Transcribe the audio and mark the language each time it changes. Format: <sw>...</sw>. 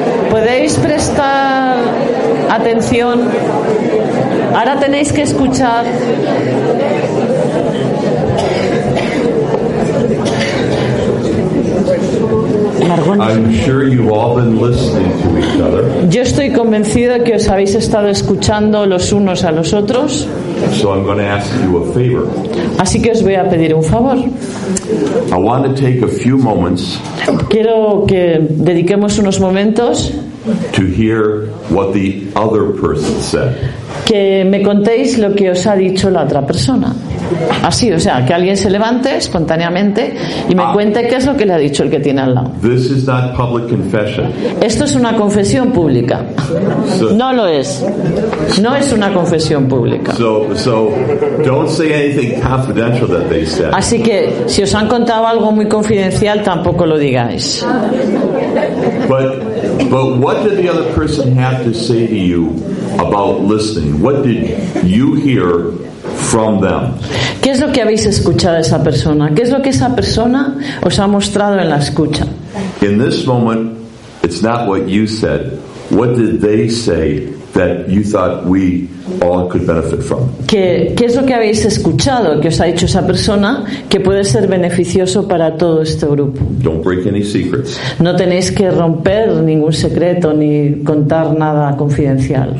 <es>¿Podéis prestar atención? Ahora tenéis que escuchar...</es> <en>I'm sure you've all been listening to each other.</en> <es>Yo estoy convencida que os habéis estado escuchando los unos a los otros.</es> <en>So I'm going to ask you a favor.</en> <es>Así que os voy a pedir un favor.</es> <en>I want to take a few moments.</en> <es>Quiero que dediquemos unos momentos.</es> <en>To hear what the other person said.</en> <es>Que me contéis lo que os ha dicho la otra persona. Así, o sea, que alguien se levante espontáneamente y me cuente qué es lo que le ha dicho el que tiene al lado.</es> <en>This is not public confession.</en> <es>Esto es una confesión pública.</es> <en>So,</en> <es>no lo es. No es una confesión pública.</es> <en>So don't say anything confidential that they said.</en> <es>Así que si os han contado algo muy confidencial, tampoco lo digáis.</es> <en>But what did the other person have to say to you about listening? What did you hear from them?</en> <es>¿Qué es lo que habéis escuchado a esa persona? ¿Qué es lo que esa persona os ha mostrado en la escucha?</es> <en>In this moment, it's not what you said. What did they say that you thought we all could benefit from?</en> <es>¿Qué es lo que habéis escuchado que os ha dicho esa persona que puede ser beneficioso para todo este grupo?</es> <en>Don't break any secrets.</en> <es>No tenéis que romper ningún secreto ni contar nada confidencial.</es>